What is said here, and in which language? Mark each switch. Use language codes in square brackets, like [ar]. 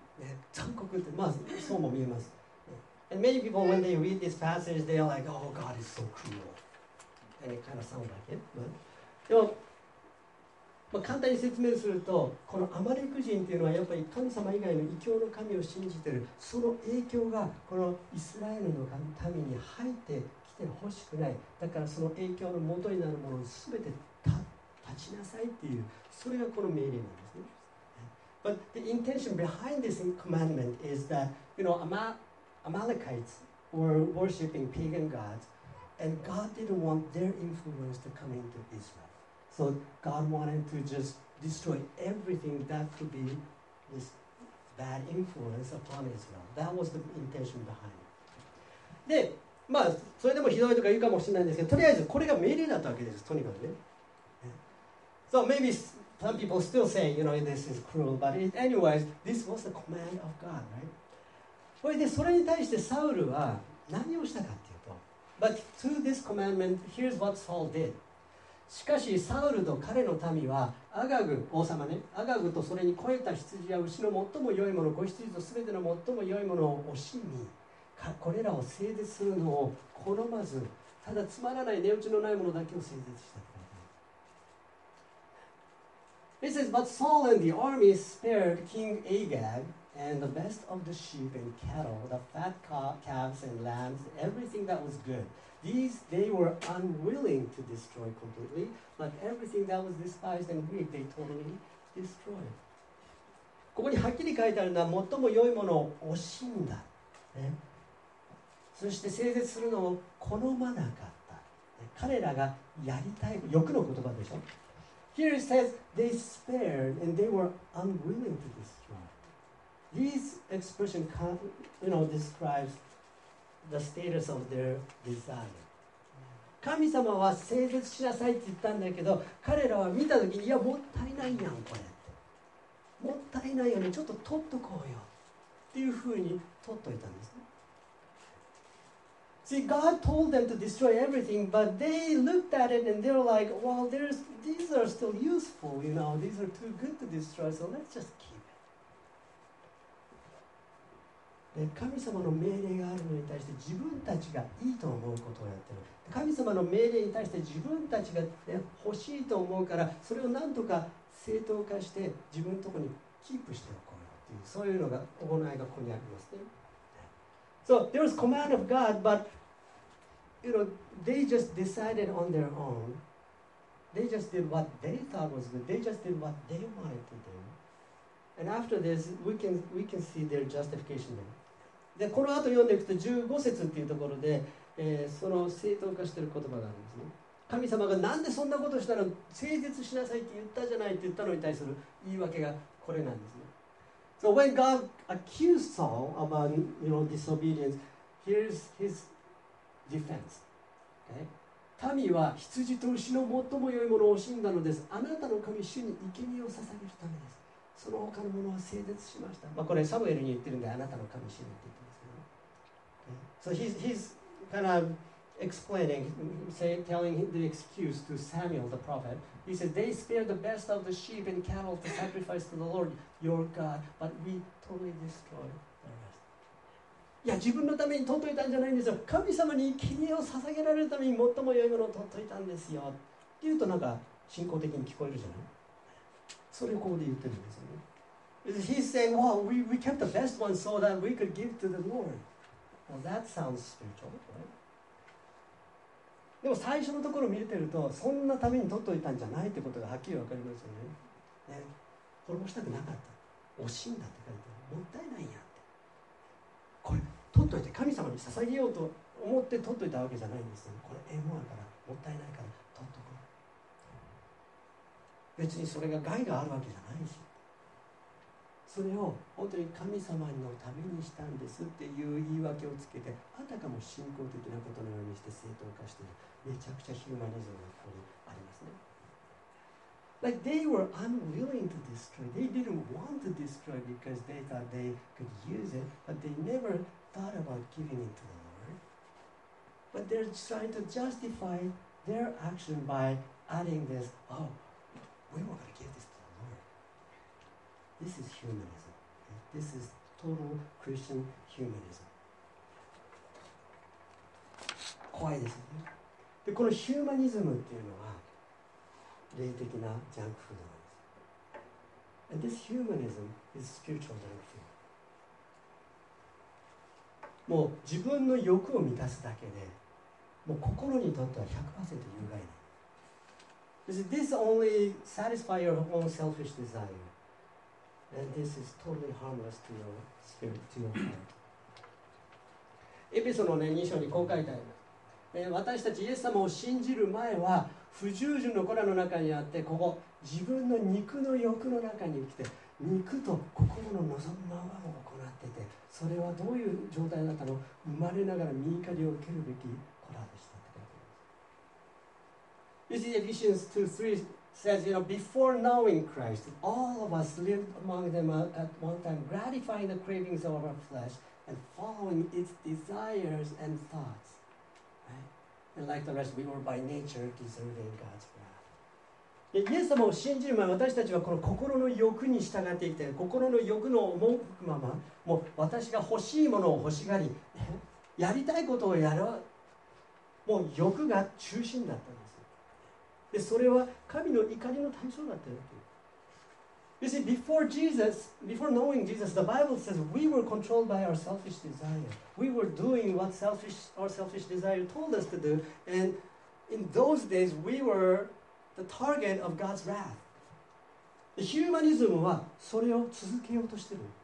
[ja] ね、残酷って、まあそうも見えます。 [en] And many people, when they read this passage, they are like, oh, God is so cruel. And it kind of sounds like it. But... [ja] でも、まあ、簡単に説明すると、このアマレク人っていうのはやっぱり神様以外の異教の神を信じている、その影響がこのイスラエルの民に入ってきてほしくない。だからその影響の元になるものを全て断ちなさいっていう、それがこの命令なんですね。 [en] But the intention behind this commandment is that, you know, Amalekites were worshipping pagan gods, and God didn't want their influence to come into Israel. So God wanted to just destroy everything that could be this bad influence upon Israel. That was the intention behind it. [ja] で、まあ、それでもひどいとか言うかもしれないんですけど、とりあえずこれが命令だったわけです、とにかくね。 [en] So maybe some people still say, you know, this is cruel, but anyways, this was the command of God, right? [ja] これでそれに対してサウルは何をしたかっていうと、 [en] But to this commandment, here's what Saul did. [ja] しかしサウルと彼の民はアガグ、王様ね、アガグとそれに肥えた羊や牛の最も良いもの、子羊と全ての最も良いものを惜しみ、これらを聖絶するのを好まず、ただつまらない値打ちのないものだけを聖絶した。 [en] It says, but Saul and the army spared King Agag and the best of the sheep and cattle, the fat calves and lambs, everything that was good. These they were unwilling to destroy completely, but everything that was despised and weak, they totally destroyed. [ja] ここにはっきり書いてあるのは、最も良いものを惜しんだ。ね、そして聖絶するのを好まなかった、ね。彼らがやりたい、欲の言葉でしょ。 [en] Here it says, they spared and they were unwilling to destroy. This expression, you know, describes the status of their desire. [ja] 神様は聖絶しなさいって言ったんだけど、彼らは見たときに、いや、もったいないやん、これ。もったいないよね、ちょっと取っとこうよ。っていうふうに取っといたんですね。 [en] See, God told them to destroy everything, but they looked at it and they were like, well, these are still useful, you know, these are too good to destroy, so let's just keep it. [ja] で、神様の命令があるのに対して自分たちがいいと思うことをやってる。神様の命令に対して自分たちが、ね、欲しいと思うから、それをなんとか正当化して自分のところにキープしておこうよっていう、そういうのが行いがここにありますね。 [en] So there was command of God, but you know, they just decided on their own. They just did what they thought was good. They just did what they wanted to do. And after this, we can see their justification. [ja] で、この後読んでいくと15節っていうところで、その正当化している言葉があるんですね。神様がなんでそんなことしたら誠実しなさいって言ったじゃないって言ったのに対する言い訳がこれなんですね。 [en] So when God accused Saul about, you know, disobedience, here's his defense. Okay? [ja] 民は羊と牛の最も良いものを惜しんだのです。あなたの神、主に生贄を捧げるためです。その他のものは聖絶しました。まあ、これ、サムエルに言ってるんで、あなたの神、主にって言ってますけど。 [en] Okay? So he's kind of explaining, telling the excuse to Samuel, the prophet. He says, they spared the best of the sheep and cattle to sacrifice to the Lord. Your God, but we totally destroy the rest. [ja] いや、自分のために取っといたんじゃないんですよ。神様に生贄を捧げられるために最も良いものを取っといたんですよ。って言うとなんか信仰的に聞こえるじゃない。それをここで言ってるんですよね。 [en] He's saying, well, we kept the best one so that we could give to the Lord. Well, that sounds spiritual, right? [ja] でも最初のところ見れてると、そんなために取っといたんじゃないってことがはっきりわかりますよね。ね。滅ぼしたくなかった。惜しいんだって書いてある。もったいないやって。これ、取っといて、神様に捧げようと思って取っといたわけじゃないんですよ。これ、縁もあるから、もったいないから、取っとこう。別にそれが害があるわけじゃないし。それを、本当に神様のためにしたんですっていう言い訳をつけて、あたかも信仰的なことのようにして正当化している。めちゃくちゃヒューマニズムがここにありますね。 [en] Like they were unwilling to destroy. They didn't want to destroy because they thought they could use it, but they never thought about giving it to the Lord. But they're trying to justify their action by adding this, oh, we were going to give this to the Lord. This is humanism. This is total Christian humanism. [ja] 怖いですね。で、このヒューマニズムっていうのは霊的なジャンクフードなんです。 [en] And this humanism is spiritual junk food. [ja] もう自分の欲を満たすだけで、もう心にとっては 100% 有害な。 [en] This only satisfies your own selfish desire. And this is totally harmless to your spirit, to your heart. [ja] エペソの、ね、2章にこう書いてある、私たちイエス様を信じる前は不従順の子らの中にあって、ここ自分の肉の欲の中に来て、肉と心の望むままを行っていて、それはどういう状態だったの？生まれながら身怒りを受けるべき子らでしたって書いてある。 [en] You see, Ephesians 2:3 says, you know, before knowing Christ, all of us lived among them at one time, gratifying the cravings of our flesh and following its desires and thoughts. And like the rest, we were by nature deserving God's wrath. [ja] イエス様を信じる前、私たちはこの心の欲に従っていて、心の欲の思うまま、もう私が欲しいものを欲しがり、やりたいことをやる、もう欲が中心だったんです。で、それは神の怒りの対象だったわけ。 [en] You see, before Jesus, before knowing Jesus, the Bible says we were controlled by our selfish desire. We were doing what our selfish desire told us to do. And in those days, we were the target of God's wrath. [ja] Humanism はそれを続けようとしてる。